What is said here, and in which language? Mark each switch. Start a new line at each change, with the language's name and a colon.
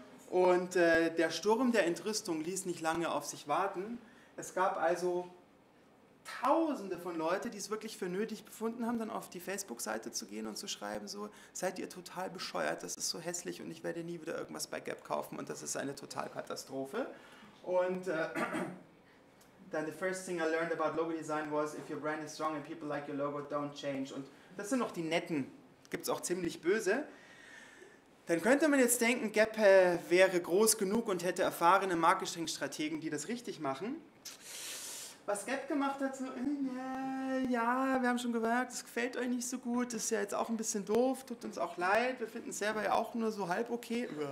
German: Und der Sturm der Entrüstung ließ nicht lange auf sich warten. Es gab also Tausende von Leuten, die es wirklich für nötig befunden haben, dann auf die Facebook-Seite zu gehen und zu schreiben, so, seid ihr total bescheuert, das ist so hässlich und ich werde nie wieder irgendwas bei Gap kaufen und das ist eine Totalkatastrophe. Und dann
English: the first thing I learned about logo design was, if your brand is strong and people like your logo, don't change.
German: Und das sind noch die netten, gibt es auch ziemlich böse. Dann könnte man jetzt denken, Gap wäre groß genug und hätte erfahrene Marketingstrategen, die das richtig machen. Was Gap gemacht hat, so, ja, wir haben schon gemerkt, es gefällt euch nicht so gut, das ist ja jetzt auch ein bisschen doof, tut uns auch leid, wir finden es selber ja auch nur so halb okay.